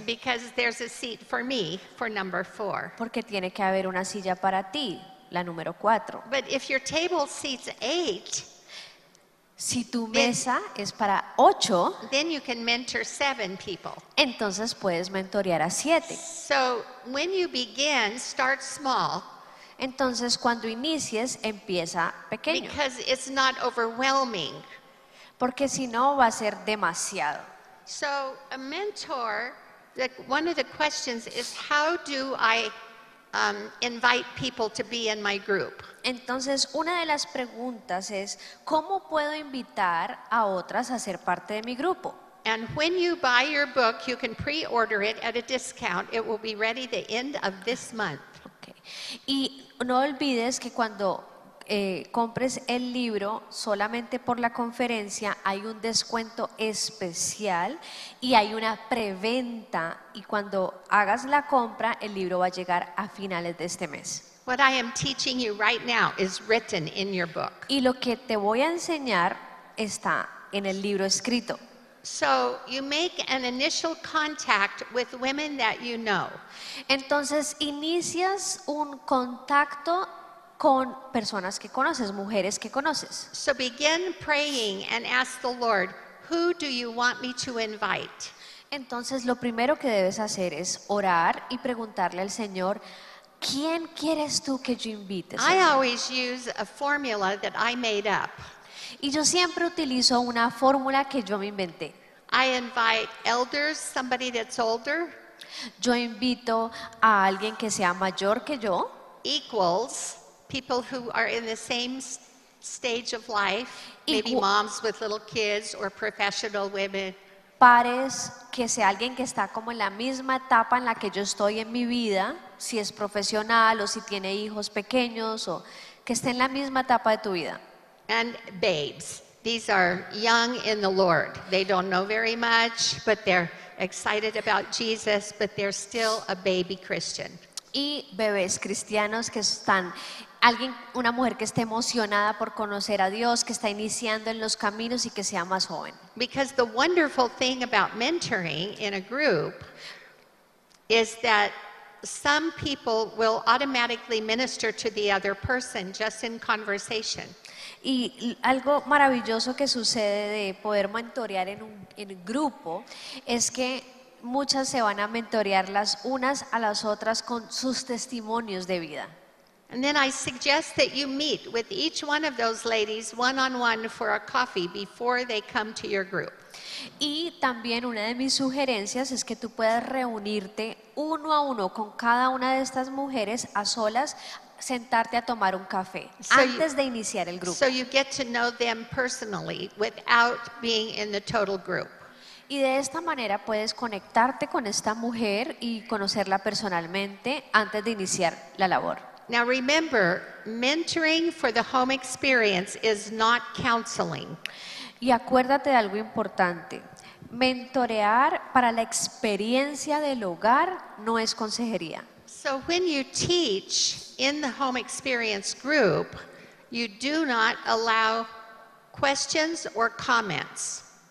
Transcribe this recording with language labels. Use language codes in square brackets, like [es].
[en] Because there's a seat for me for number four. [es] Porque tiene que haber una silla para ti. La número cuatro. [en] But if your table seats eight, [es] si tu mesa es para ocho, [en] then you can mentor seven people. [es] Entonces puedes mentorear a siete. [en] So when you begin, start small. [es] Entonces cuando inicies, empieza pequeño. [en] Because it's not overwhelming. [es] Porque si no va a ser demasiado. [en] So a mentor, one of the questions is how do I invite people to be in my group. [es] Entonces, una de las preguntas es, ¿cómo puedo invitar a otras a ser parte de mi grupo? [en] And when you buy your book, you can pre-order it at a discount. It will be ready the end of this month. Okay. [es] Y no olvides que cuando compres el libro solamente por la conferencia hay un descuento especial y hay una preventa, y cuando hagas la compra el libro va a llegar a finales de este mes. [en] What I am teaching you right now is written in your book. [es] Y lo que te voy a enseñar está en el libro escrito. [en] So you make an initial contact with women that you know. [es] Entonces inicias un contacto con personas que conoces, mujeres que conoces. [en] So begin praying and ask the Lord, who do you want me to invite? [es] Entonces lo primero que debes hacer es orar y preguntarle al Señor, ¿quién quieres tú que yo invite? [en] I always use a formula that I made up. [es] Y yo siempre utilizo una fórmula que yo me inventé. [en] I invite elders, somebody that's older. [es] Yo invito a alguien que sea mayor que yo. [en] Equals people who are in the same stage of life, maybe moms with little kids or professional women. [es] Pares, que sea alguien que está como en la misma etapa en la que yo estoy en mi vida, si es profesional o si tiene hijos pequeños o que esté en la misma etapa de tu vida. [en] And babes, these are young in the Lord. They don't know very much, but they're excited about Jesus, but they're still a baby Christian. [es] Y bebés cristianos que están, alguien, una mujer que esté emocionada por conocer a Dios, que está iniciando en los caminos y que sea más joven. [en] Because the wonderful thing about mentoring in a group is that some people will automatically minister to the other person just in conversation. [es] Y algo maravilloso que sucede de poder mentorear en grupo es que muchas se van a mentorear las unas a las otras con sus testimonios de vida. [en] And then I suggest that you meet with each one of those ladies one-on-one for a coffee before they come to your group. [es] Y también una de mis sugerencias es que tú puedas reunirte uno a uno con cada una de estas mujeres a solas, sentarte a tomar un café antes de iniciar el grupo. [en] So you get to know them personally without being in the total group. [es] Y de esta manera puedes conectarte con esta mujer y conocerla personalmente antes de iniciar la labor. [en] Now remember, mentoring for the home experience is not counseling. [es] Y acuérdate de algo importante. Mentorear para la experiencia del hogar no es consejería. [en] So when you teach in the home experience group, you do not allow questions or comments.